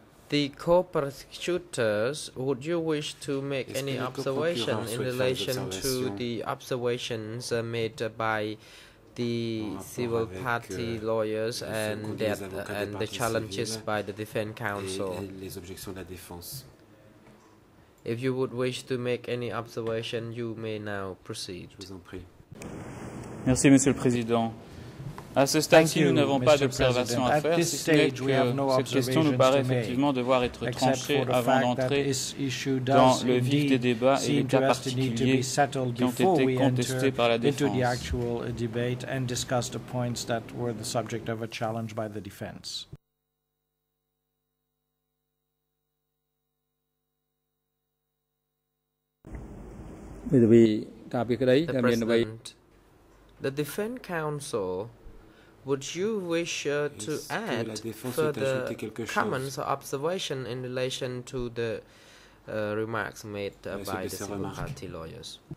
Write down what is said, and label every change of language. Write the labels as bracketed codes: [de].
[en] The co-prosecutors, would you wish to make any observation in relation to the observations made by the civil party lawyers and the challenges by the defense counsel? If you would wish to make any observation, you may now proceed. [fr] Merci, Monsieur le Président. À ce stade-ci, nous n'avons pas d'observation à faire, si ce n'est que cette question nous paraît effectivement devoir être tranchée avant d'entrer dans le vif des débats et les cas particuliers qui ont été contestés par la défense. [en] The Defense Council, would you wish to add further comments or observation in relation to the remarks made by the civil party lawyers?